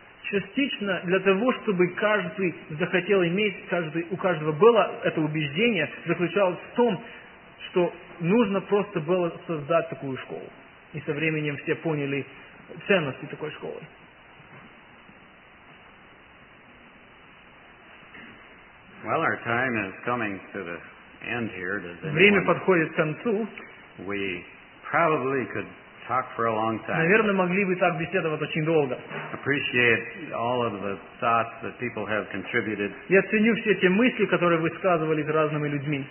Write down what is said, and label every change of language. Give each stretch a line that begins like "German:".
Russian: Частично для того, чтобы каждый захотел иметь, у каждого было это убеждение, заключалось в том, что нужно просто было создать такую школу. И со временем все поняли ценности такой школы.
English: Well, our time is coming to the end here. Does anyone...
Russian: Время подходит к концу.
English: We probably could talk for a long time.
Russian: Наверное, могли бы так беседовать очень долго.
English: Appreciate all of the thoughts that people have contributed.
Russian: Я ценю все те мысли, которые высказывали разными людьми.